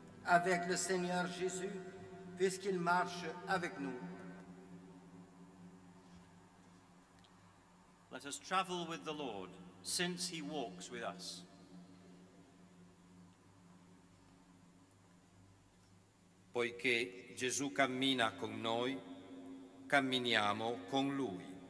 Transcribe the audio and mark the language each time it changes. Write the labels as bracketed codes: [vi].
[fr] Avec le Seigneur Jésus, puisqu'il marche avec nous. [en] Let us travel with the Lord, since he walks with us. [it] Poiché Gesù cammina con noi, camminiamo con lui.